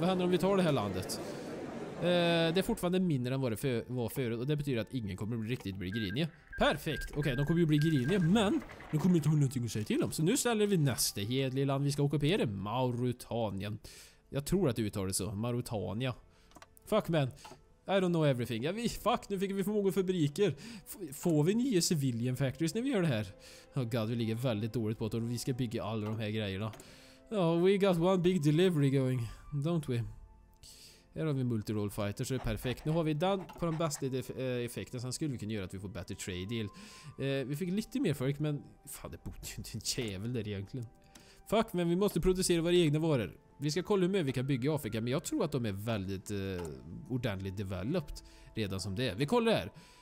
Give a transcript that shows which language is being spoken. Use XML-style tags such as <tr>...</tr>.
<sv>Vad händer om vi tar det här landet? Det är fortfarande mindre än vad det var förut, och det betyder att ingen kommer riktigt bli griniga. Perfekt! Okej, de kommer ju bli griniga, men de kommer inte ha någonting att säga till dem. Så nu ställer vi nästa hedliga land vi ska ockupera, Mauritania. Jag tror att du uttalar det så, Mauritania.</sv> <en>Fuck man, I don't know everything.</en> <sv>Ja, fuck, nu fick vi för många fabriker. Får vi nya</sv> <en>civilian factories</en> <sv>när vi gör det här?</sv> <en>Oh god,</en> <sv>vi ligger väldigt dåligt på att vi ska bygga alla de här grejerna.</sv> <en>Oh, we got one big delivery going, don't we?</en> <sv>Här har vi multi-role fighters, så det är perfekt. Nu har vi den på den bästa effekten, sen skulle vi kunna göra att vi får bättre</sv> <en>trade deal.</en> <sv>Vi fick lite mer folk, men fan, det bodde ju inte en jävel där egentligen.</sv> <en>Fuck man,</en> <sv>vi måste producera våra egna varor. Vi ska kolla hur mycket vi kan bygga i Afrika, men jag tror att de är väldigt ordentligt developed redan som det är. Vi kollar här.</sv>